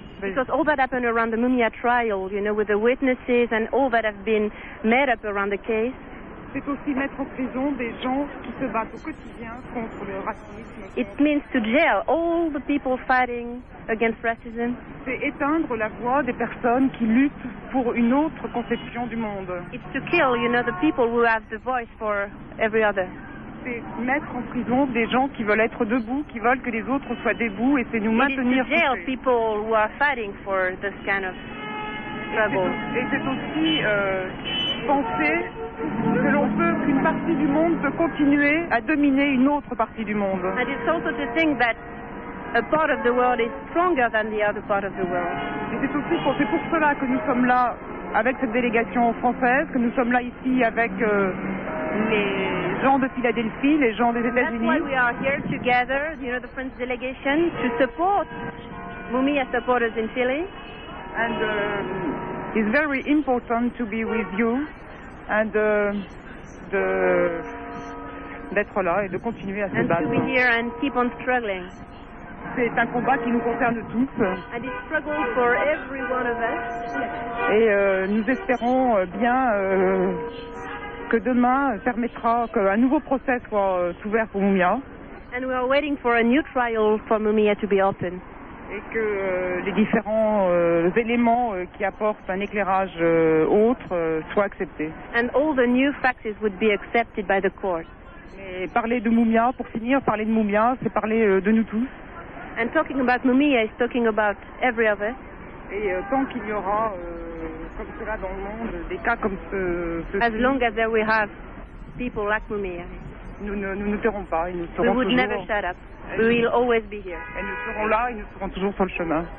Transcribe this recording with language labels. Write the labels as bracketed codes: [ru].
[en] Because all that happened around the Mumia trial, you know, with the witnesses and all that have been made up around the case. [fr] c'est aussi mettre en prison des gens qui se battent au quotidien contre le racisme. [en] It means to jail all the people fighting against racism. [fr] C'est éteindre la voix des personnes qui luttent pour une autre conception du monde. [en] It's to kill, you know, the people who have the voice for every other. [fr] C'est mettre en prison des gens qui veulent être debout, qui veulent que les autres soient debout, et c'est nous maintenir. [en] It is to jail people who are fighting for this kind of struggle. [fr] Et c'est aussi penser que l'on veut qu'une partie du monde peut continuer à dominer une autre partie du monde. [en] And it's also to think that a part of the world is stronger than the other part of the world. [fr] Et c'est aussi pour, c'est pour cela que nous sommes là avec cette délégation française, que nous sommes là ici avec les gens de Philadelphie, les gens des États-Unis. [en] That's why we are here together, you know, the French delegation, to support Mumia supporters in Philly. And it's very important to be with you and [fr] de d'être là et de continuer à se battre. [en] And to be here and keep on struggling. [fr] C'est un combat qui nous concerne tous. [en] And it's struggle for every one of us. [fr] Et nous espérons bien que demain permettra qu'un nouveau procès soit ouvert pour Mumia. [en] And we are waiting for a new trial for Mumia to be open. [fr] Et que les différents éléments qui apportent un éclairage autre soient acceptés. [en] And all the new facts would be accepted by the court. [fr] Mais parler de Mumia, pour finir, parler de Mumia, c'est parler de nous tous. [en] And talking about Mumia is talking about every of us. [fr] Et tant qu'il y aura comme cela dans le monde, des cas comme ce [en] as long as there we have people like Mumia, [fr] nous ne ferons pas, et nous serons [en] we would [fr] toujours, [en] never shut up. We will always be here. [fr] Et nous serons là et nous serons toujours sur le chemin.